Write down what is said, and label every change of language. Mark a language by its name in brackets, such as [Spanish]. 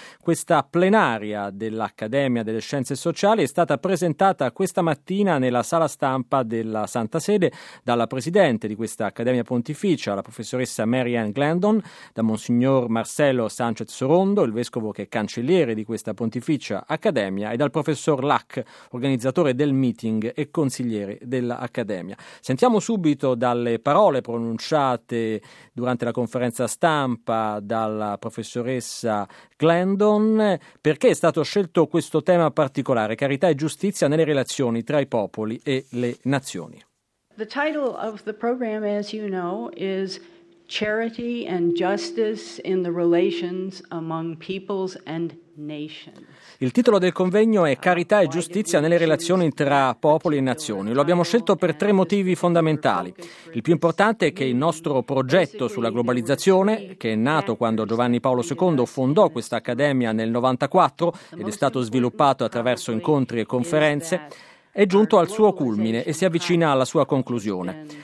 [Italian] Questa plenaria dell'Accademia delle Scienze Sociali è stata presentata questa mattina nella sala stampa della Santa Sede dalla presidente di questa Accademia Pontificia, la professoressa Mary Ann Glendon, da Monsignor Marcelo Sanchez Sorondo, il vescovo che è cancelliere di questa Pontificia Accademia, e dal professor Lack, organizzatore del meeting e consigliere dell'Accademia. Sentiamo subito dalle parole pronunciate durante la conferenza stampa dalla professoressa Glendon perché è stato scelto questo tema particolare, carità e giustizia nelle relazioni tra i popoli e le nazioni. [English] The title of the program, as you know, is Charity and Justice in the Relations Among Peoples and Nations. [Italian] Il titolo del convegno è Carità e giustizia nelle relazioni tra popoli e nazioni. Lo abbiamo scelto per tre motivi fondamentali. Il più importante è che il nostro progetto sulla globalizzazione, che è nato quando Giovanni Paolo II fondò questa accademia nel 1994 ed è stato sviluppato attraverso incontri e conferenze, è giunto al suo culmine e si avvicina alla sua conclusione.